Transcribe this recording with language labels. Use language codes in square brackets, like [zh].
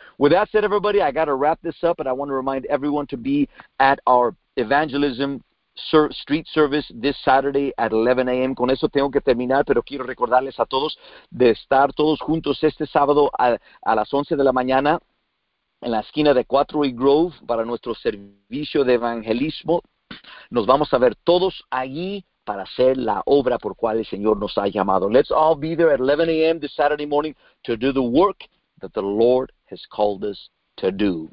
[en] With that said, everybody, I got to wrap this up, and I want to remind everyone to be at our evangelism street service this Saturday at 11 a.m. [es] Con eso tengo que terminar, pero quiero recordarles a todos de estar todos juntos este sábado a las 11 de la mañana en la esquina de 4 y Grove para nuestro servicio de evangelismo. Nos vamos a ver todos allí para hacer la obra por cual el Señor nos ha llamado. [en] Let's all be there at 11 a.m. this Saturday morning to do the work that the Lord has called us to do.